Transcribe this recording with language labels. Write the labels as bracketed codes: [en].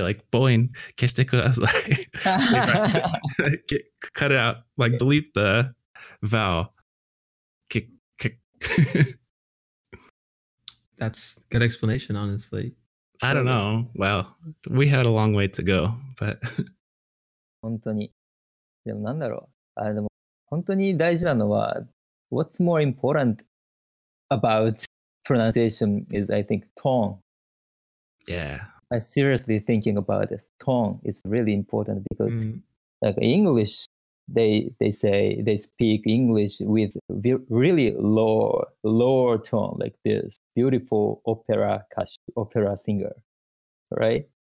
[en] Like, boing, [ja] keshite kudasai, [en] cut it out, like delete the vowel, kick, kick. That's good explanation, honestly. I don't know. Well, we had a long way to go, but [ja] 本当にでもなんだろう。あれでも本当に大事なのは [en] what's more important about pronunciation is I think tone. Yeah. I'm seriously thinking about this. Tone is really important because like English, they say they speak English with really low tone, like this beautiful opera singer, right?